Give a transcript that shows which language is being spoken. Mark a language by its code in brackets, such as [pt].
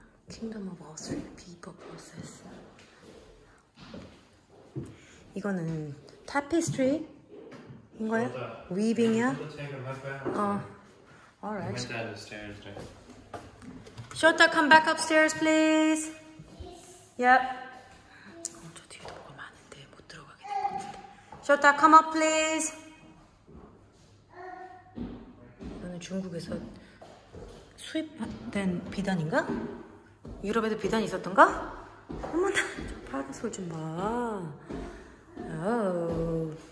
[en] Kingdom of Austria, People Process. [ko] 이거는 타피스트리인 거야? 위빙이야? 어. [en] Alright. Went down the stairs, Shota, come back upstairs, please. Yes. Yep. [ko] 저 뒤에도 뭐가 많은데 못 들어가게 될 것 같은데. [en] Shota, come up, please. [ko] 이거는 중국에서 수입된 비단인가? 유럽에도 비단이 있었던가? 어머나, 저 파란 솔 좀 봐. Oh.